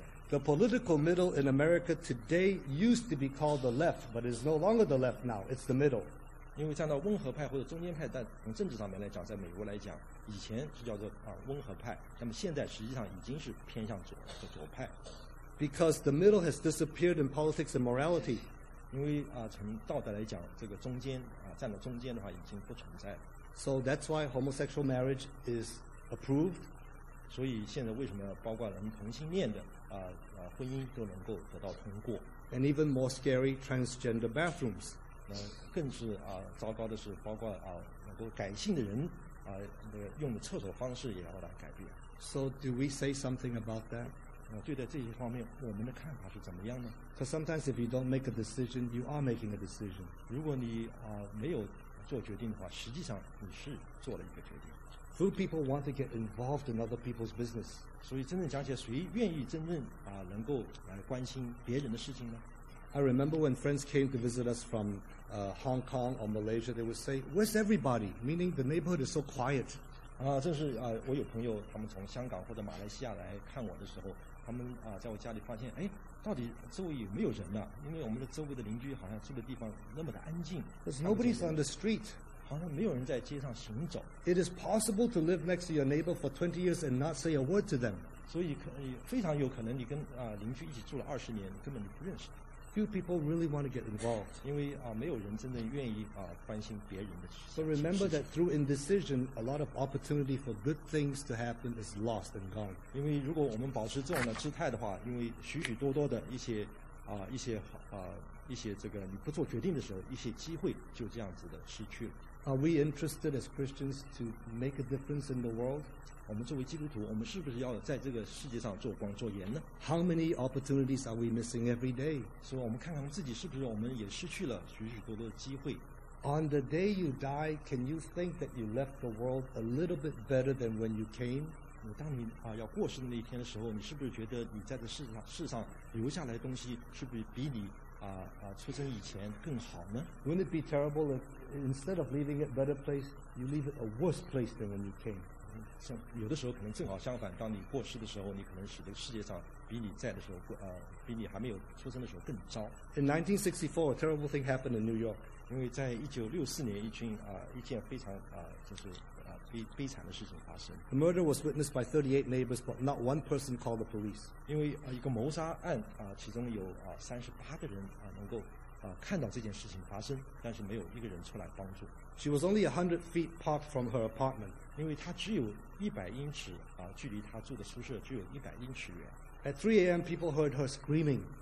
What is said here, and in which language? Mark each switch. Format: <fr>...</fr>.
<en>The political middle in America today used to be called the left, but it's no longer the left now. It's the middle.</en> <zh>因为站到温和派或者中间派，但从政治上面来讲，在美国来讲，以前是叫做温和派，那么现在实际上已经是偏向左派。</zh> <en>Because the middle has disappeared in politics and morality.</en> <zh>因为从道德来讲，这个中间站到中间的话已经不存在了。</zh> <en>So that's why homosexual marriage is approved.</en> <zh>所以现在为什么包括人同性恋的婚姻都能够得到通过</zh> <en>？And even more scary, transgender bathrooms.</en> <zh>更是糟糕的是，包括能够改性的人用的厕所方式也要来改变。</zh> <en>So do we say something about that?</en> <zh>对待这些方面，我们的看法是怎么样呢</zh> <en>？Because sometimes if you don't make a decision, you are making a decision.</en> <zh>如果你没有做决定的话，实际上你是做了一个决定。</zh> <en>Few people want to get involved in other people's business.</en> <zh>所以真正讲起来，谁愿意真正能够来关心别人的事情呢</zh> <en>？I remember when friends came to visit us from Hong Kong or Malaysia, they would say, "Where's everybody?" Meaning the neighborhood is so quiet.</en> <zh>正是我有朋友他们从香港或者马来西亚来看我的时候。他们在我家里发现，到底周围有没有人呢？因为我们的周围的邻居好像住的地方那么的安静。</zh> <en>There's nobody on the street.</en> <zh>好像没有人在街上行走。</zh> <en>It is possible to live next to your neighbor for 20 years and not say a word to them.</en> <zh>所以非常有可能你跟邻居一起住了20年，根本就不认识。</zh> <en>Few people really want to get involved.</en> <zh>因为没有人真正愿意关心别人的事情。</zh> <en>So remember that through indecision, a lot of opportunity for good things to happen is lost and gone.</en> <zh>因为如果我们保持这种的姿态的话，因为许许多多的一些这个你不做决定的时候，一些机会就这样子的失去了。</zh> <en>Are we interested as Christians to make a difference in the world?</en> <zh>我们作为基督徒，我们是不是要在这个世界上做光做盐呢</zh> <en>？How many opportunities are we missing every day?</en> <zh>所以我们看看自己是不是我们也失去了许许多多的机会。</zh> <en>On the day you die, can you think that you left the world a little bit better than when you came?</en> <zh>当你要过世的那一天的时候，你是不是觉得你在这世上留下来的东西是不是比你出生以前更好呢</zh> <en>？Wouldn't it be terrible if instead of leaving it a better place, you leave it a worse place than when you came?</en> <zh>像有的时候可能正好相反，当你过世的时候，你可能使得世界上比你在的时候，比你还没有出生的时候更糟。</zh> <en>In 1964, a terrible thing happened in New York.</en> <zh>因为在1964年，一件非常就是悲惨的事情发生。</zh> <en>The murder was witnessed by 38 neighbors, but not one person called the police.</en> <zh>因为一个谋杀案其中有38个人能够。看到这件事情发生，但是没有一个人出来帮助。</zh> <en>She was only 100 feet apart from her apartment.</en> <zh>因为她只有100英尺距离她住的宿舍只有100英尺远。</zh> <en>At 3 a.m. people heard her screaming.</en>